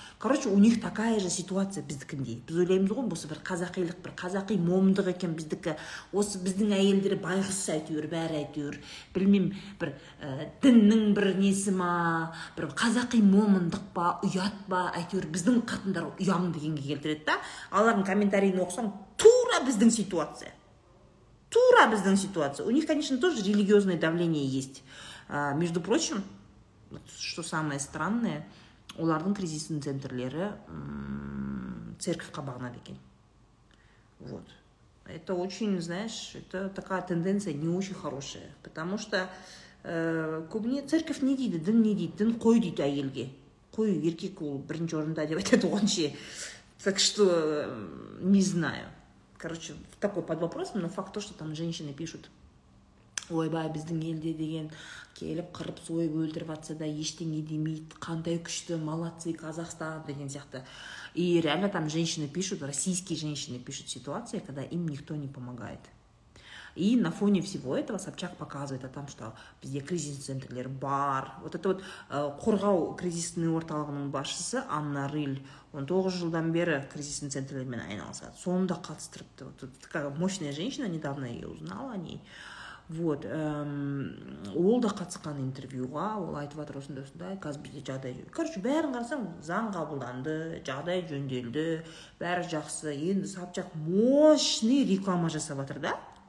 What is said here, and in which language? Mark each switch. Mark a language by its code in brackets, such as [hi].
[ru] Короче, у них такая же ситуация біздікінде. [kk] Біз ойлаймыз ғой, осы бір қазақилық, бір қазақи момындық екен біздікі. Осы біздің әйелдері байғыс айтыр, бәрі айтыр. Білмеймін, бір діннің бір несі ма, бір қазақи момындық па, ұят па, әйтеуір біздің қатындар ұям дегенге келтіреді да. Алардың комментарийін оқысаң, тура біздің ситуация. Тура біздің ситуация. [ru] У них, конечно, тоже религиозное давление есть. Между прочим, что самое странное, [kk] олардың кризисный центрлері церковь қабағына деген. [ru] Вот. Это очень, знаешь, это такая тенденция не очень хорошая. Потому что көбіне церковь не дейді, дін не дейді, дін қой дейді әйелге. [kk] Қой, еркек ол бірінші орында деп айтады оңше. [ru] Так что, не знаю. Короче, такой под вопросом, но факт то, что там женщины пишут. [kk] Ойбай, біздің елде деген келіп, қырып, сойып, өлтіріп атса да ештеңе демейді, қандай күшті, [ru] молодцы, Казахстан [kk] деген сияқты. [ru] И реально там женщины пишут, российские женщины пишут ситуации, когда им никто не помогает. И на фоне всего этого Собчак показывает о том, что везде кризисный центр, бар. Вот это вот [kk] Қорғау кризисный орталығының басшысы Анна Риль, он 9 жылдан бері кризисный центрлермен айналса. Сонда қатыстырыпты. [ru] Вот такая мощная женщина, недавно я узнала о ней. [kk] Вот, ол да қатысқан интервьюға, ол айтып отыр осында осында, қазір бізде жағдай. Короче, бәрін қарасаң, заң қабылданды, жағдай жөнделді, бәрі жақсы. Енді Собчақ мощный реклама жасап отыр, да?